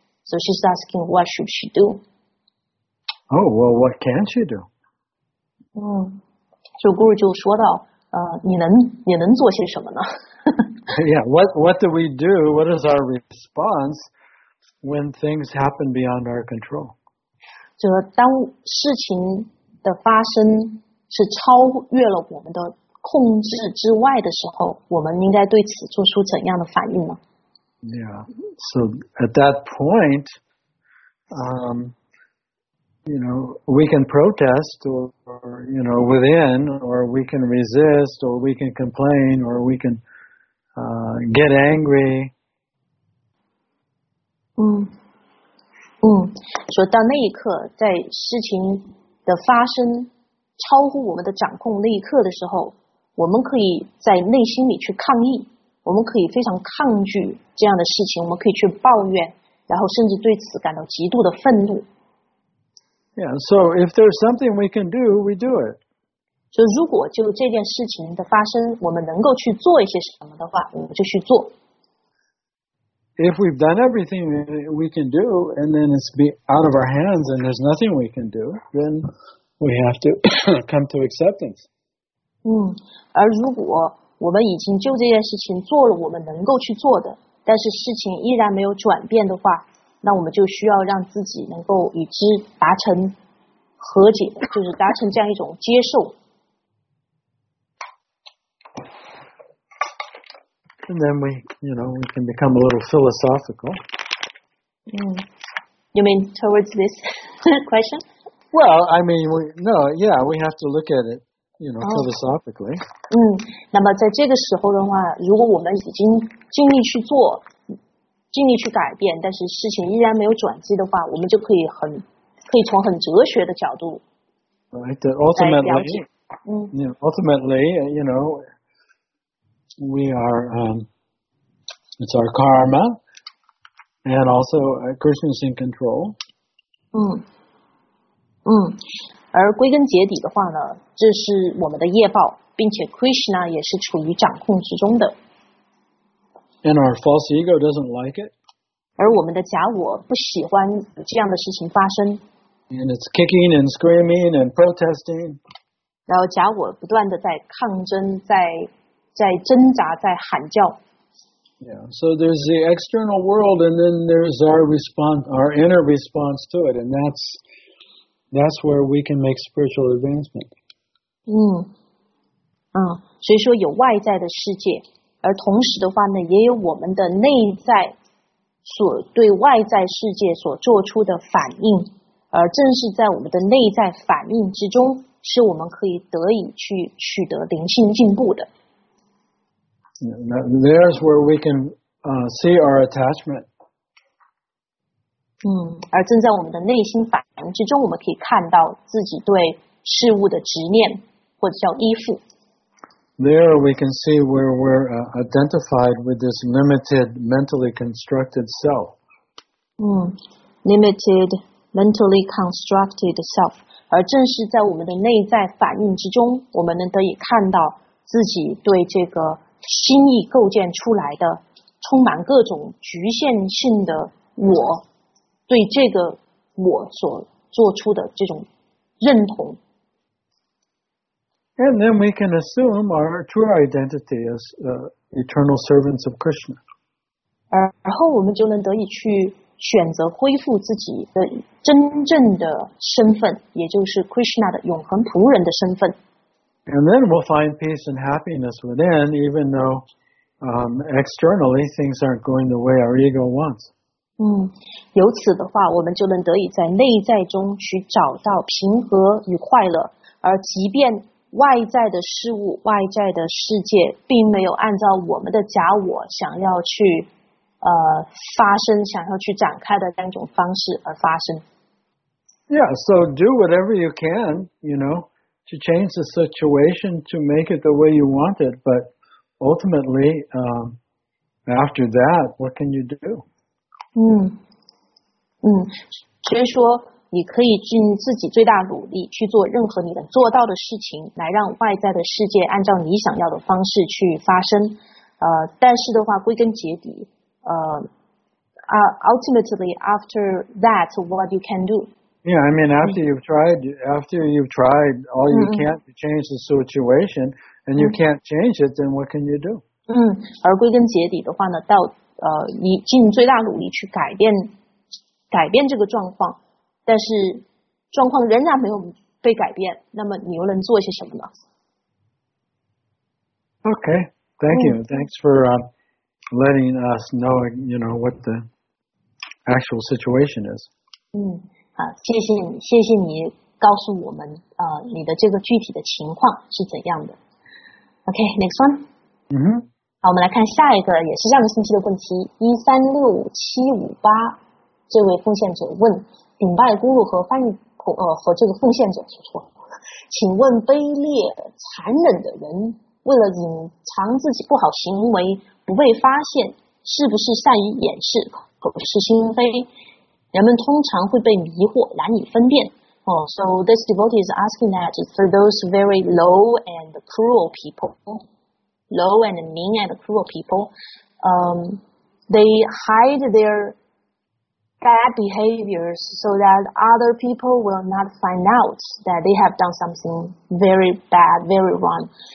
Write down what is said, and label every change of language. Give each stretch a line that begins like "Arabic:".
English: So she's asking, what should she do? Oh, well, what can she do?
Chinese: 嗯，就 Guru 就说到，你能做些什么呢？
English: Yeah, what do we do? What is our response when things happen beyond our control?
Chinese: 就当事情的发生是超越了我们的控制之外的时候，我们应该对此做出怎样的反应呢？
English: Yeah, so at that point, you know, we can protest or, you know, within, or we can resist, or we can complain, or we can get angry.
Chinese: 嗯，说到那一刻，在事情的发生超乎我们的掌控那一刻的时候，我们可以在内心里去抗议，我们可以非常抗拒这样的事情，我们可以去抱怨，然后甚至对此感到极度的愤怒。
English: Yeah, so if there's something we can do, we do it.
Chinese: 就如果就这件事情的发生，我们能够去做一些什么的话，我们就去做。
English: If we've done everything we can do, and then it's be out of our hands, and there's nothing we can do, then we have to come to acceptance.
Chinese: 而如果我们已经就这件事情做了我们能够去做的，但是事情依然没有转变的话，那我们就需要让自己能够与之达成和解，就是达成这样一种接受。
English: And then we, you know, we can become a little philosophical. You mean towards this question? Well, I mean, we have to look at it, you know, philosophically.
Chinese: 那么在这个时候的话，如果我们已经尽力去做，尽力去改变，但是事情依然没有转机的话，我们就可以从很哲学的角度来了解。
English: Right, that ultimately, we are, it's our karma, and also Krishna's in control.
Chinese: 而归根结底的话呢，这是我们的业报，并且 Krishna 也是处于掌控之中的。
English: And our false ego doesn't like it.
Chinese: 而我们的假我不喜欢这样的事情发生。
English: And it's kicking and screaming and protesting.
Chinese: 然后假我不断的在抗争，在挣扎，在喊叫。
English: Yeah, so there's the external world, and then there's our response, our inner response to it, and that's where we can make spiritual advancement.
Chinese: 所以说有外在的世界，而同时的话呢，也有我们的内在所对外在世界所做出的反应，而正是在我们的内在反应之中，是我们可以得以去取得灵性进步的。
English: There's where we can see our attachment.
Chinese: 而正在我们的内心反应之中，我们可以看到自己对事物的执念或者叫依附。
English: There we can see where we're identified with this limited mentally constructed self. Limited mentally constructed self.
Chinese: 而正是在我们的内在反应之中，我们能得以看到自己对这个心意构建出来的充满各种局限性的我，对这个我所做出的这种认同。
English: And then we can assume our true identity as eternal servants of Krishna.
Chinese: 然后我们就能得以去选择恢复自己的真正的身份，也就是 Krishna 的永恒仆人的身份。
English: And then we'll find peace and happiness within, even though externally things aren't going the way our ego wants.
Chinese: 由此的话，我们就能得以在内在中去找到平和与快乐，而即便外在的事物、外在的世界并没有按照我们的假我想要去发生、想要去展开的那种方式而发生。
English: Yeah, so do whatever you can, you know. To change the situation to make it the way you want it, but ultimately, after that, what can you do?
Chinese: 所以说你可以尽自己最大努力去做任何你能做到的事情，来让外在的世界按照你想要的方式去发生。但是的话，归根结底，
English: ultimately, after that, what you can do? Yeah, I mean, after you've tried all you can to change the situation, and you can't change it, then what can you do?
Chinese: 而归根结底的话呢，到你尽最大努力去改变这个状况，但是状况仍然没有被改变，那么你又能做些什么呢？
English: Okay, thank you. Thanks for letting us know, you know, what the actual situation is.
Chinese: 谢谢你告诉我们你的这个具体的情况是怎样的。
English: Okay, next one.
Chinese: 好，我们来看下一个也是上个星期的问题 ,136758, 这位奉献者问顶拜咕噜和翻译和这个奉献者说请问卑劣残忍的人为了隐藏自己不好行为不被发现是不是善于掩饰口是心非人们通常会被迷惑难以分辨
English: people. So this devotee is asking that for those very low and cruel people, low and mean and cruel people, they hide their bad behaviors so that other people will not find out that they have done something very bad, very wrong.